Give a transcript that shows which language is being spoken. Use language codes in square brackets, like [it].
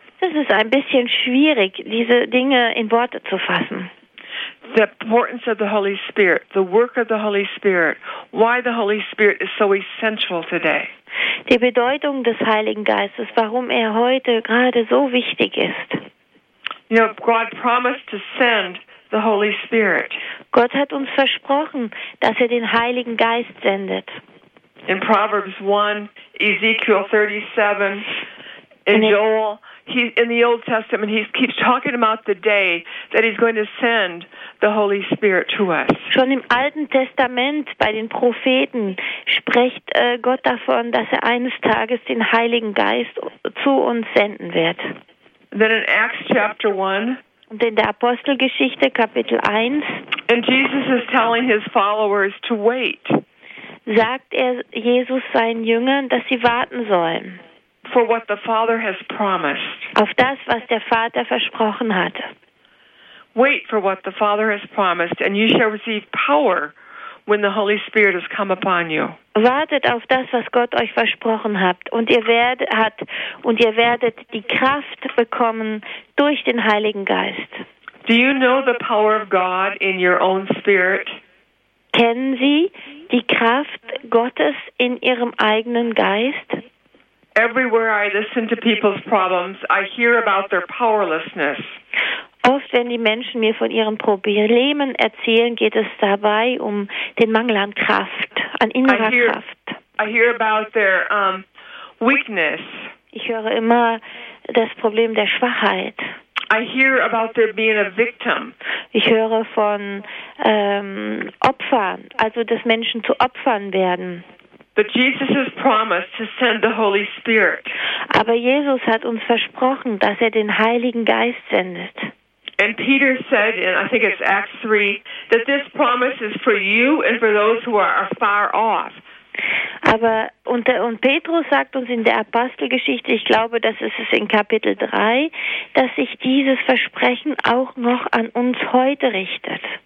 [de] Das ist ein bisschen schwierig, diese Dinge in Worte zu fassen. [en] The importance of the Holy Spirit, the work of the Holy Spirit, why the Holy Spirit is so essential today. [de] Die Bedeutung des Heiligen Geistes, warum er heute gerade so wichtig ist. [en] You know, God promised to send the Holy Spirit. [de] Gott hat uns versprochen, dass er den Heiligen Geist sendet. [en] In Proverbs 1, Ezekiel 37, in Joel, in the Old Testament, he keeps talking about the day that he's going to send the Holy Spirit to us. [de] Schon im Alten Testament bei den Propheten spricht Gott davon, dass er eines Tages den Heiligen Geist zu uns senden wird. [en] Then in Acts chapter 1. [de] Und in der Apostelgeschichte Kapitel 1. [en] And Jesus is telling his followers to wait. [de] Sagt er Jesus seinen Jüngern, dass sie warten sollen. [en] For what the Father has promised. [de] Auf das, was der Vater versprochen hatte. [en] Wait for what the Father has promised, and you shall receive power when the Holy Spirit has come upon you. [de] Wartet auf das, was Gott euch versprochen hat, und ihr werdet die Kraft bekommen durch den Heiligen Geist. [en] Do you know the power of God in your own spirit? [de] Kennen Sie die Kraft Gottes in Ihrem eigenen Geist? [en] Everywhere I listen to people's problems, I hear about their powerlessness. [de] Oft, wenn die Menschen mir von ihren Problemen erzählen, geht es dabei um den Mangel an Kraft, an innerer Kraft. [en] I hear about their weakness. [de] Ich höre immer das Problem der Schwachheit. [en] I hear about their being a victim. [de] Ich höre von Opfern, also dass Menschen zu Opfern werden. [en] But Jesus has promised to send the Holy Spirit. [de] Aber Jesus hat uns versprochen, dass er den Heiligen Geist sendet. [en] And Peter said, and I think it's Acts 3, that this promise is for you and for those who are far off. [de] Aber und Petrus sagt uns in der Apostelgeschichte, ich glaube, das ist es in Kapitel 3, dass sich dieses Versprechen auch noch an uns heute richtet.